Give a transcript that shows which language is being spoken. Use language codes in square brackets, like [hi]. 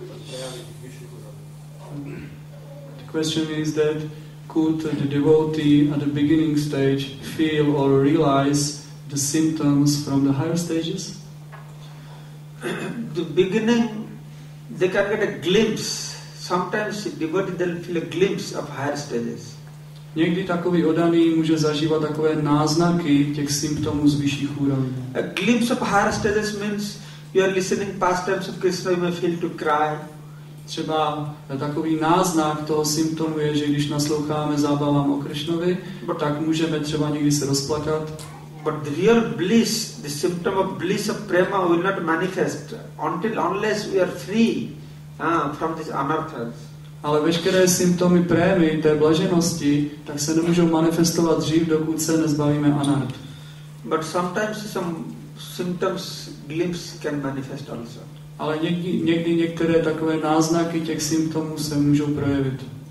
[en] The question is that could the devotee at the beginning stage feel or realize the symptoms from the higher stages? The beginning, they can get a glimpse. Sometimes devotees will feel a glimpse of higher stages. [cs] Někdy takový oddaný může zažívat takové náznaky těch symptomů z vyšších úrovní. [en] A glimpse of higher stages means you are listening past tense of Krishna, you may feel to cry. [cs] Třeba takový náznak toho symptomu je, že když nasloucháme zábavám o Krishnovi, tak můžeme třeba někdy se rozplakat. [en] But the real bliss, the symptom of bliss of prema will not manifest until unless we are free from this anarthas. [cs] Ale veškeré symptomy prémy, té blaženosti, tak se nemůžou manifestovat dřív, dokud se nezbavíme anarth. [en] But sometimes some symptoms, glimpse can manifest also. [cs] Ale někdy některé takové náznaky těch symptomů se můžou projevit.